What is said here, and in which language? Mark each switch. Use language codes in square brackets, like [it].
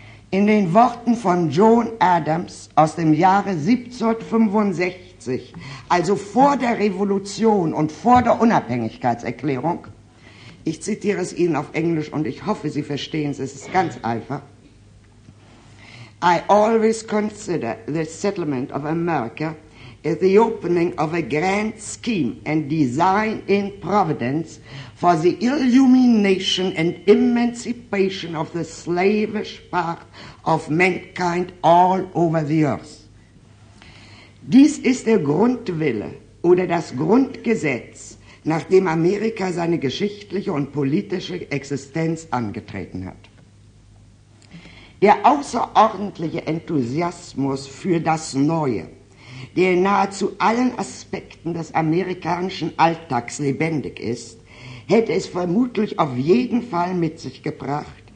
[de] In den Worten von John Adams aus dem Jahre 1765, also vor der Revolution und vor der Unabhängigkeitserklärung, ich zitiere es Ihnen auf Englisch und ich hoffe, Sie verstehen es, es ist ganz einfach. [en] I always consider the settlement of America as the opening of a grand scheme and design in Providence for the illumination and emancipation of the slavish part of mankind all over the earth. [de] Dies ist der Grundwille oder das Grundgesetz, nachdem Amerika seine geschichtliche und politische Existenz angetreten hat. Der außerordentliche Enthusiasmus für das Neue, der in nahezu allen Aspekten des amerikanischen Alltags lebendig ist, hätte es vermutlich auf jeden Fall mit sich gebracht,